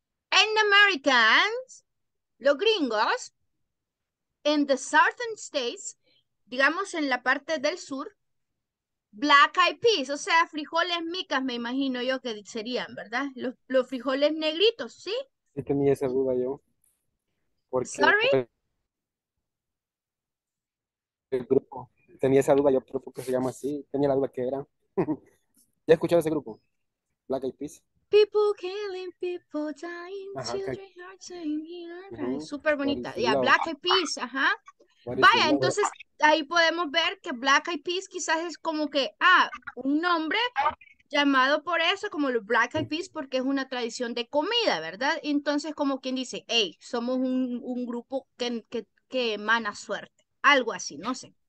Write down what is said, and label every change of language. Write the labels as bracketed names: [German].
[English] And Americans, [Spanish] los gringos, [English] in the southern states, [Spanish] digamos en la parte del sur, black eyed peas, o sea, frijoles micas, me imagino yo que serían, ¿verdad? Los frijoles negritos, ¿sí? Sí, tenía esa duda yo. Porque [English] ¿Sorry? [Spanish] El grupo, tenía esa duda yo, pero porque se llama así, tenía la duda que era. ¿Ya he escuchado ese grupo? Black Eyed Peas. [English] People killing, people dying, ajá, children hearts and hearts. [Spanish] Súper bonita. Ya, [English] yeah, [Spanish] Black Eyed Peas, ajá. Vaya, entonces ahí podemos ver que Black Eyed Peas quizás es como que, un nombre llamado por eso, como los Black Eyed Peas, porque es una tradición de comida, ¿verdad? Entonces, como quien dice, hey, somos un grupo que emana suerte. Algo así, no sé.